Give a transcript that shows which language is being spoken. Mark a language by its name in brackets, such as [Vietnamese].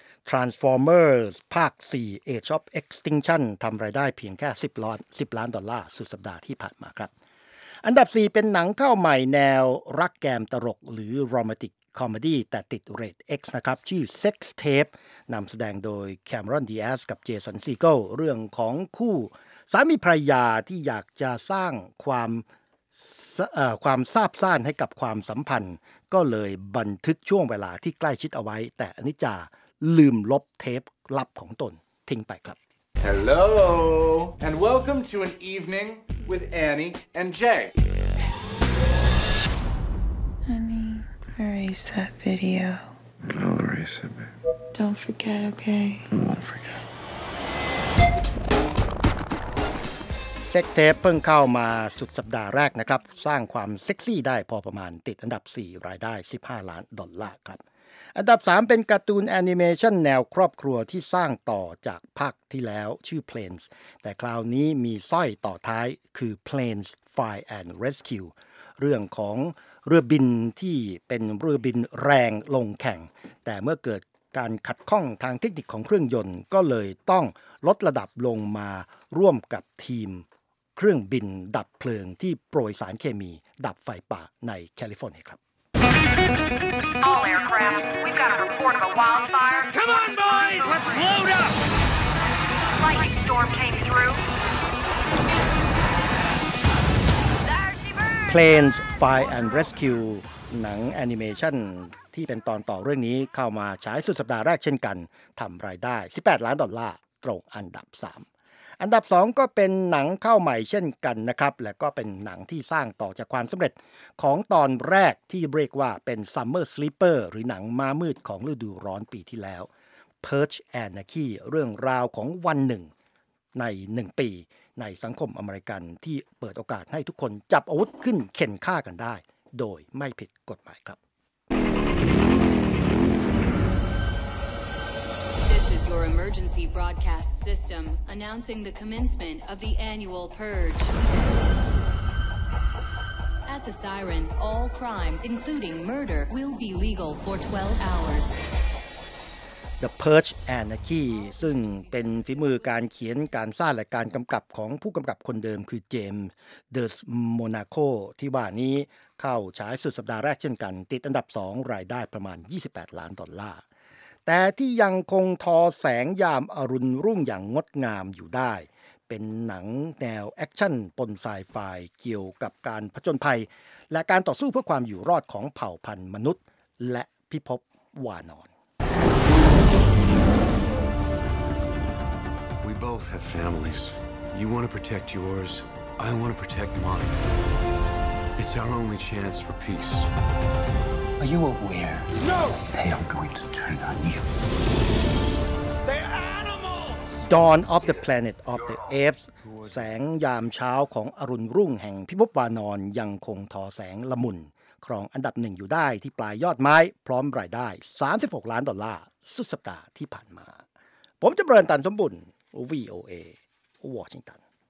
[Thai] Transformers ภาค 4 Age of Extinction ทำรายได้เพียงแค่10 ล้านดอลลาร์สุดสัปดาห์ที่ผ่านมาครับอันดับ4เป็นหนังเข้าใหม่แนวรักแกมตลกหรือ Romanticคอมเมดี้แต่ติดเรท X นะครับชื่อ Sex Tape นำแสดงโดยแคมรอนดีแอสกับเจสันซีเกิลเรื่องของคู่สามีภรรยาที่อยากจะสร้างควา มซาบซ่านให้กับความสัมพันธ์ก็เลยบันทึกช่วงเวลาที่ใกล้ชิดเอาไว้แต่อนิจจาลืมลบเทปลับของตนทิ้งไปครับ [English] Hello and welcome to an evening with Annie and Jay Erase that video. I'll erase it, babe. Don't forget, okay? I won't forget. [Thai] เซ็กเทปเพิ่งเข้ามาสุดสัปดาห์แรกนะครับสร้างความเซ็กซี่ได้พอประมาณติดอันดับ4รายได้15ล้านดอลลาร์ครับอ อันดับ3เป็นการ์ตูนแอนิเมชันแนวครอบครัวที่สร้างต่อจากภาคที่แล้วชื่อ Planes แต่คราวนี้มีสร้อยต่อท้ายคือ Planes Fire and Rescue เรื่องของเรือบินที่เป็นเรือบินแรงลงแข่งแต่เมื่อเกิดการขัดข้องทางเทคนิคของเครื่องยนต์ก็เลยต้องลดระดับลงมาร่วมกับทีมเครื่องบินดับเพลิงที่โปรยสารเคมีดับไฟป่าในแคลิฟอร์เนียครับ [English] All aircraft, we've got a report of a wildfire. Come on, boys, let's load up. Lightning storm came through. [Thai] Planes, Fire and Rescue หนังแอนิเมชันที่เป็นตอนต่อเรื่องนี้เข้ามาฉายสุดสัปดาห์แรกเช่นกันทำรายได้18ล้านดอลลาร์ตรงอันดับ3อันดับ2ก็เป็นหนังเข้าใหม่เช่นกันนะครับและก็เป็นหนังที่สร้างต่อจากความสำเร็จของตอนแรกที่เรียกว่าเป็น Summer Sleeper หรือหนังม้ามืดของฤดูร้อนปีที่แล้ว Purge Anarchy เรื่องราวของวันหนึ่ง ใน1ปีในสังคมอเมริกันที่เปิดโอกาสให้ทุกคนจับอาวุธขึ้นเข่นฆ่ากันได้โดยไม่ผิดกฎหมายครับ [English] This is your emergency broadcastSystem announcing the commencement of the annual purge. At the siren, all crime, including murder, will be legal for 12 hours. [Thai] The Purge Anarchy, ซึ่งเป็นฝีมือการเขียนการสร้างและการกำกับของผู้กำกับคนเดิมคือเจมส์เดอร์สโมนาโกที่ว่านี้เข้าฉายสุดสัปดาห์แรกเช่นกันติดอันดับ2รายได้ประมาณ28ล้านดอลลาร์ แต่ที่ยังคงทอแสงยามอรุณรุ่งอย่างงดงามอยู่ได้เป็นหนังแนวแอคชั่นปนไซไฟเกี่ยวกับการผจญภัยและการต่อสู้เพื่อความอยู่รอดของเผ่าพันธุ์มนุษย์และพิภพวานอน [English] We both have families. You want to protect yours. I want to protect mine. It's our only chance for peace. Are you aware? No! They are going to turn on you. They're animals! [Thai] Dawn of the Planet of the Apes แสงยามเช้าของอรุณรุ่งแห่งพิภพวานรยังคงทอแสงละมุนครองอันดับหนึ่งอยู่ได้ที่ปลายยอดไม้พร้อมรายได้36ล้านดอลลาร์สุดสัปดาห์ที่ผ่านมาผมจะเริ่มตันสมบุญ VOA Washington